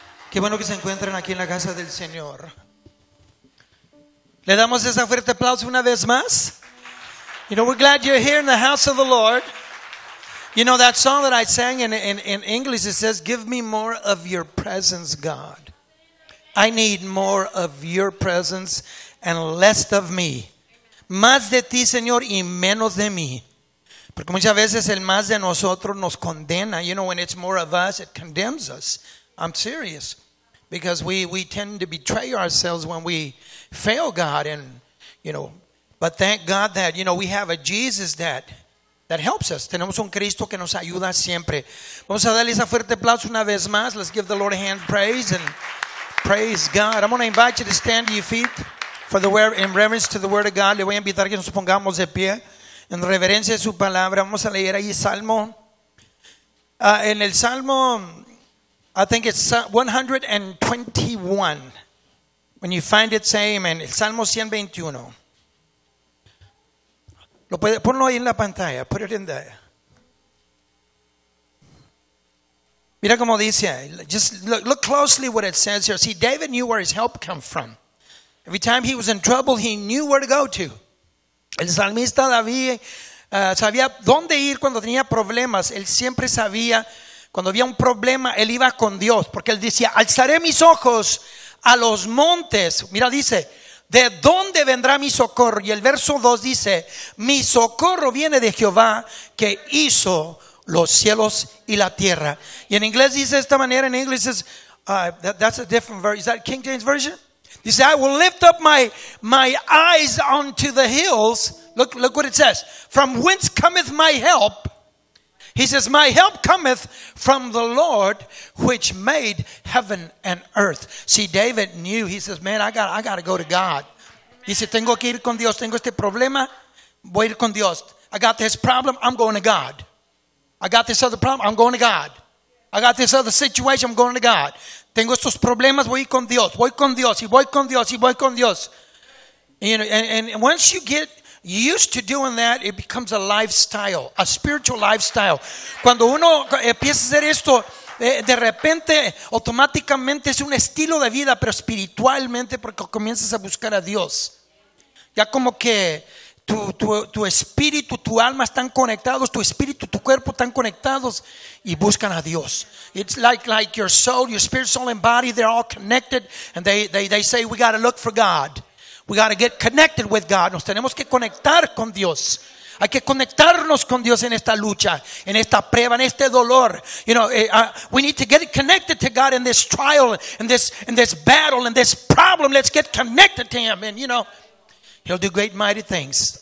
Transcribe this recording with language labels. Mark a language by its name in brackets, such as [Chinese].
[Spanish] Qué bueno que se encuentren aquí en la casa del Señor. Le damos ese fuerte aplauso una vez más. [English] You know, we're glad you're here in the house of the Lord. You know, that song that I sang in English, it says, give me more of your presence, God. I need more of your presence and less of me. [Spanish] Más de ti, Señor, y menos de mí. Porque muchas veces el más de nosotros nos condena. [English] You know, when it's more of us, it condemns us. I'm serious. Because we tend to betray ourselves when we fail God. And, you know, but thank God that, you know, we have a Jesus that helps us. [Spanish] Tenemos un Cristo que nos ayuda siempre. Vamos a darle esa fuerte aplauso una vez más. [English] Let's give the Lord a hand praise and praise God. I'm going to invite you to stand to your feet for the word, in reverence to the word of God. [Spanish] Le voy a invitar a que nos pongamos de pie. En reverencia a su palabra, vamos a leer ahí Salmo. En el Salmo, [English] I think it's 121. When you find it, say amen. [Spanish] El Salmo 121. Lo puede, ponlo ahí en la pantalla. [English] Put it in there. [Spanish] Mira cómo dice. [English] Just look closely what it says here. See, David knew where his help came from. Every time he was in trouble, he knew where to go to. [Spanish] El salmista David sabía dónde ir cuando tenía problemas. Él siempre sabía cuando había un problema, él iba con Dios. Porque él decía, alzaré mis ojos a los montes. Mira, dice, ¿de dónde vendrá mi socorro? Y el verso 2 dice, mi socorro viene de Jehová que hizo los cielos y la tierra. Y en inglés dice de esta manera, en inglés es, [English] that's a different version. Is that King James Version? He said, I will lift up my eyes unto the hills. Look what it says. From whence cometh my help? He says, my help cometh from the Lord which made heaven and earth. See, David knew. He says, man, I got to go to God. He said, [Spanish] tengo que ir con Dios. [English] Tengo este problema. Voy a ir con Dios. I got this problem. I'm going to God. I got this other problem. I'm going to God. I got this other situation. I'm going to God. [Spanish] Tengo estos problemas, voy con Dios, voy con Dios, y voy con Dios, y voy con Dios. [English] You know, and once you get used to doing that, it becomes a lifestyle, a spiritual lifestyle. [Spanish] Cuando uno empieza a hacer esto, de repente, automáticamente es un estilo de vida, pero espiritualmente, porque comienzas a buscar a Dios. Ya como que tu espíritu, tu alma están conectados, tu espíritu, tu cuerpo están conectados y buscan a Dios. [English] It's like your soul, your spirit, soul and body, they're all connected and they say we got to look for God. We got to get connected with God. [Spanish] Nos tenemos que conectar con Dios. Hay que conectarnos con Dios en esta lucha, en esta prueba, en este dolor. [English] You know, we need to get connected to God in this trial, in this battle, in this problem. Let's get connected to him and you know, he'll do great mighty things.